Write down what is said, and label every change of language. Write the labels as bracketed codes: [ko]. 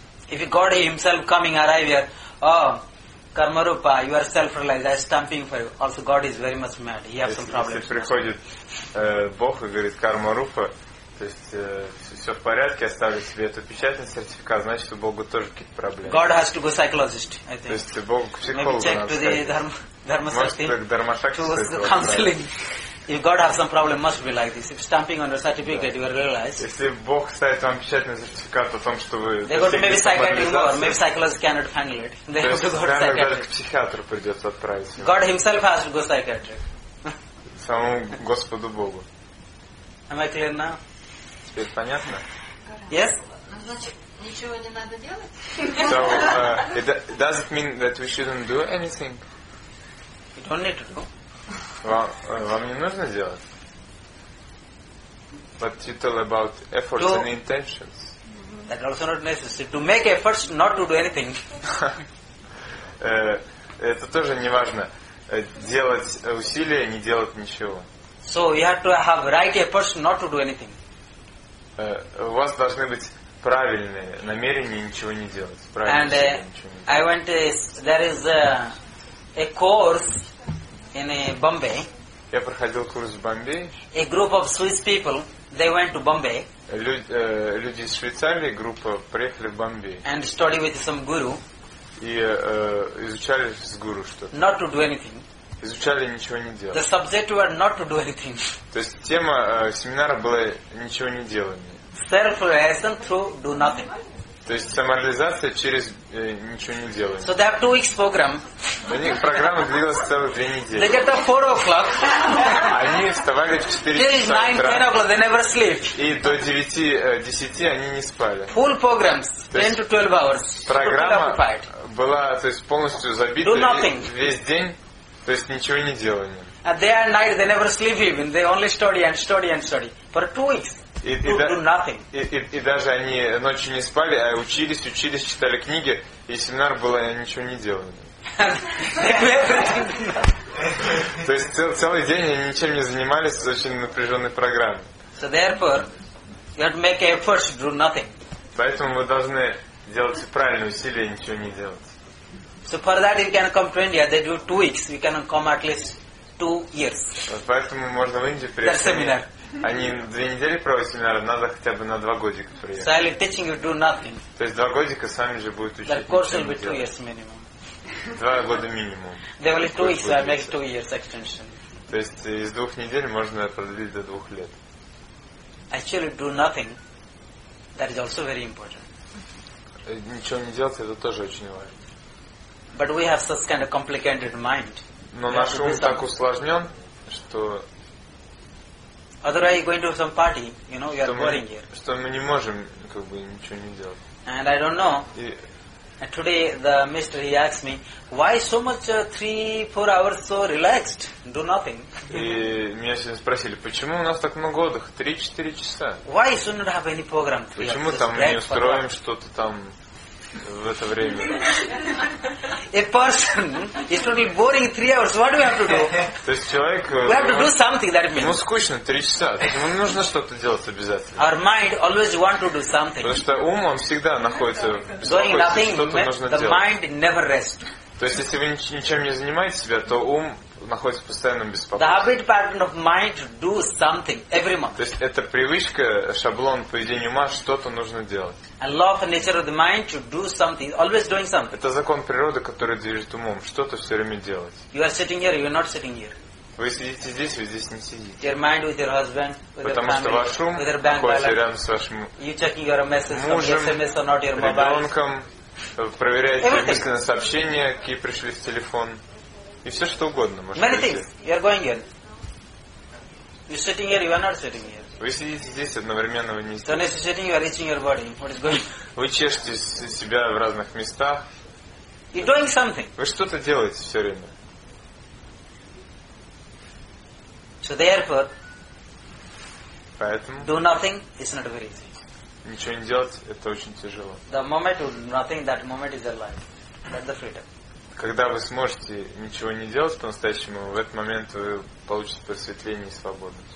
[en] If God himself coming arrive here, oh, Karma Rupa, you are self-realized, I am stamping for you. Also, God is very much mad. He has some problems. [ru] Если приходит Бог и говорит Karma Rupa, то есть все в порядке, оставлю себе эту печать на сертификат, значит, у Бога тоже какие-то проблемы. [en] God has to go psychologist, I think. [ru] То есть Бог к психологу. [en] Maybe check to the Dharma Shakti. Counseling. If God has some problem, must be like this. If stamping on a certificate, you are realized. [ru] Если Бог ставит вам печать на сертификат о том, что вы. [en] They go to maybe psychiatrist, or maybe psychologist cannot handle it. They have to go to psychiatrist. [ru] К психиатру придется отправиться. [en] God himself has to go to psychiatrist. [ru] Самому Господу Богу. [en] Am I clear now? [ru] Теперь понятно? [en] Yes. [ru] Значит, ничего не надо делать? [en] So, does it mean that we shouldn't do anything? You don't need to do. [ru] Вам не нужно делать? [en] But you tell about efforts and intentions. That also not necessary. To make efforts, not to do anything. [ru] Это тоже не важно. Делать усилия, не делать ничего. [en] So you have to have right efforts, not to do anything. [ru] У вас должны быть правильные намерения, ничего не делать. [en] And I went to, there is a course in Bombay. [ru] Я проходил курс в Бомбее. [en] A group of Swiss people, they went to Bombay. [ru] Люди из Швейцарии, группа, приехали в Бомбей. [en] And study with some guru. [ru] И изучали с гуру что-то. [en] Not to do anything. [ru] Изучали, ничего не делали. [en] The subject were not to do anything. [ru] То есть тема семинара была ничего не делание. [en] Self-realization through do nothing. [ru] То есть самореализация через ничего не делание. [en] So they have 2 weeks program. [ru] У них программа длилась целых 2 недели. [en] They get up 4 o'clock. [ru] Они вставали в 4 часа. [en] Till 9-10 o'clock they never sleep. [ru] И до 9-10 они не спали. [en] Full programs, 10 to 12 hours. [ru] Программа была, то есть полностью забита. [en] Do nothing. [ru] Весь день. То есть ничего не делание. [en] And day and night they never sleep even. They only study and study and study for 2 weeks. Do nothing. [ru] И даже они ночью не спали, а учились, читали книги, и семинар был, они ничего не делали. То есть целый день они ничем не занимались с очень напряженной программой. [en] So therefore, you have to make efforts to do nothing. [ru] Поэтому вы должны делать правильные усилия, ничего не делать. [en] So for that you can come to India. They do 2 weeks. We can come at least 2 years. [ru] Поэтому можно в Индию приехать. [en] That seminar. [ru] Они 2 недели проводят семинар. Надо хотя бы на 2 годика приехать. [en] So I'll be teaching you do nothing. [ru] То есть 2 годика сами же будут учить. [en] That course will be 2 years minimum. [ru] 2 года минимум. [en] They only 2 weeks. So I make 2 years extension. [ru] То есть из 2 недель можно продлить до 2 лет. [en] Actually, do nothing. That is also very important. [ru] Ничего не делать — это тоже очень важно. [en] But we have such kind of complicated mind. [ru] Но наш ум так усложнен, что. [en] Otherwise, going to some party, you know, you are boring here. [ru] Что мы не можем, как бы, ничего не делать. [en] And I don't know. And today the mister, he asked me, why so much 3-4 hours so relaxed, do nothing? [ru] И меня сегодня спросили, почему у нас так много отдыха, 3-4 часа? [en] Why so not have any program? [ru] Почему там не устроим что-то там в это время? [en] A person is totally boring 3 hours. What do we have to do? [ru] То есть человек, [en] we have to do something, that means. [ru] Ему скучно 3 часа. То есть ему нужно что-то делать обязательно. [en] Our mind always want to do something. [ru] Потому что ум, он всегда находится в беспокойстве, что-то нужно делать. [en] The mind never rests. [ru] То есть если вы ничем не занимаете себя, то ум находится в постоянном беспокойстве. [en] The habit pattern of mind to do something every month. [ru] То есть это привычка, шаблон поведения ума, что-то нужно делать. [en] And law of nature of the mind to do something, always doing something. [ru] Это закон природы, который движет умом, что-то все время делать. [en] You are sitting here, you are not sitting here. [ru] Вы сидите здесь, вы здесь не сидите. [en] Your mind with your husband, with your [ru] потому [en] family, [ru] что ваш ум находится рядом с вашим мужем, [en] SMS or not your mobile. [ru] Ребенком, проверяете [en] everything. [ru] Мысленное сообщение, какие пришли в телефон. И все что угодно, можно. [en] Many things. You are going here. You're sitting here, you are not sitting here. [ru] Вы сидите здесь одновременно, вы не сидите. [en] So when you're sitting, you are reaching your body. What is going? [ru] Вы чешете себя в разных местах. [en] You're doing something. [ru] Вы что-то делаете все время. [en] So therefore. [ru] Поэтому. [en] Do nothing is not very easy. [ru] Ничего не делать, это очень тяжело. [en] The moment of nothing, that moment is alive. That's the freedom. [ru] Когда вы сможете ничего не делать по-настоящему, в этот момент вы получите просветление и свободу.